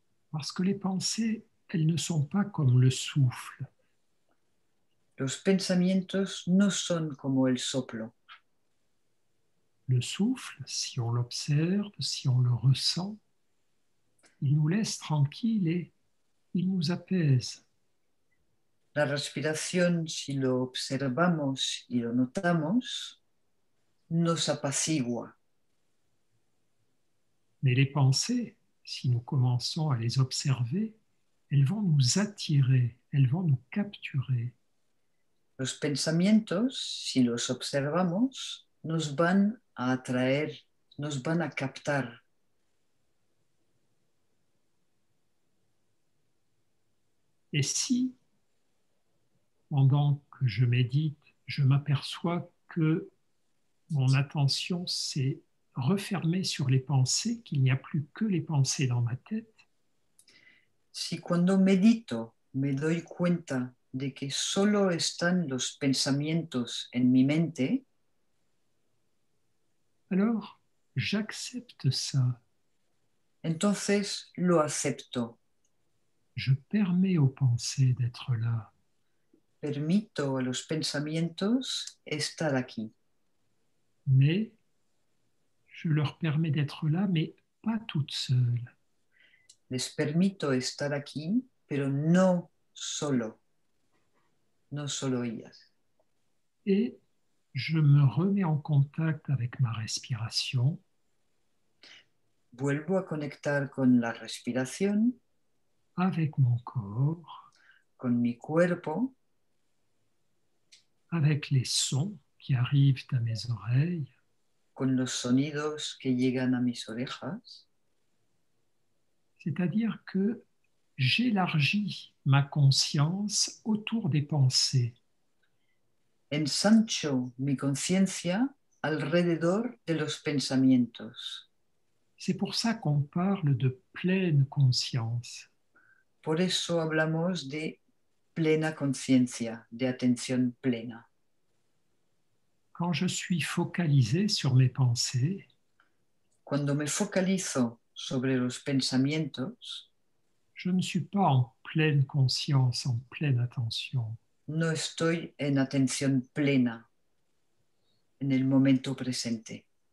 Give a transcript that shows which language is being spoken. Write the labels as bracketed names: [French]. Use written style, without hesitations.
[French] Parce que les pensées, elles ne sont pas comme le souffle. [Spanish] Los pensamientos no son como el soplo. [French] Le souffle, si on l'observe, si on le ressent, il nous laisse tranquille et il nous apaise. [Spanish] La respiración, si lo observamos y lo notamos, nos apacigua. [French] Mais les pensées, si nous commençons à les observer, elles vont nous attirer, elles vont nous capturer. [Spanish] Los pensamientos, si los observamos, nos van a atraer, nos van a captar. [French] Et si, pendant que je médite, je m'aperçois que mon attention s'est refermée sur les pensées, qu'il n'y a plus que les pensées dans ma tête, [Spanish] si cuando medito me doy cuenta de que solo están los pensamientos en mi mente, [French] alors j'accepte ça. [Spanish] Entonces lo acepto. [French] Je permets aux pensées d'être là. [Spanish] Permito a los pensamientos estar aquí. [French] Mais je leur permets d'être là, mais pas toutes seules. [Spanish] Les permito estar aquí, pero no solo. No solo ellas. [French] Et je me remets en contact avec ma respiration. [Spanish] Vuelvo a conectar con la respiración. [French] Avec mon corps. [Spanish] Con mi cuerpo. [French] Avec les sons qui arrivent à mes oreilles. [Spanish] Con los sonidos que llegan a mis orejas. [French] C'est-à-dire que j'élargis ma conscience autour des pensées. [Spanish] Ensancho mi conciencia alrededor de los pensamientos. [French] C'est pour ça qu'on parle de pleine conscience. [Spanish] Por eso hablamos de plena conciencia, de atención plena. [French] Quand je suis focalisé sur mes pensées, [Spanish] cuando me focalizo sobre los pensamientos, [French] je ne suis pas en pleine conscience, en pleine attention. [Spanish] No estoy en atención plena en el momento presente.